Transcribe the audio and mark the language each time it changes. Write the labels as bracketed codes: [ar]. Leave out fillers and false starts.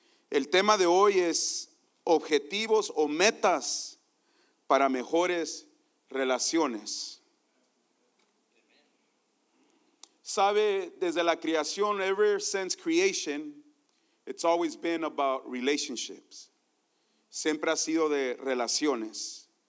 [es] El tema de hoy es objetivos o metas para mejores relaciones. Sabe, desde la creación, [en] ever since creation, it's always been about relationships. [es] Siempre ha sido de relaciones.